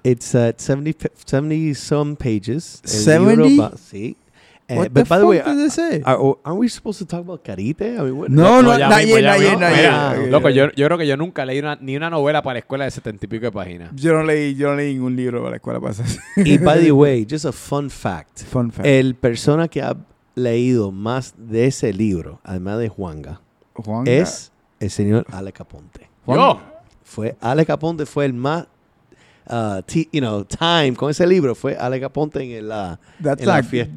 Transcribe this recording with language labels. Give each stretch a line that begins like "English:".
English: It's 70-some pages.
Spanish: ¿70? Sí.
English: Aren't we supposed to talk about Carite? I mean, No.
Spanish: Loco, yo creo que yo nunca leí ni una novela para la escuela de 70 y pico de páginas. Yo no leí ningún libro para la escuela para esas.
English: Y by the way, just a fun fact. Fun fact.
Spanish: El persona que ha leído más de ese libro, además de Juanga. Es el señor Alec Aponte. ¿Juanga? Alec Aponte fue el más... time con ese libro fue Alec Aponte en la fiesta.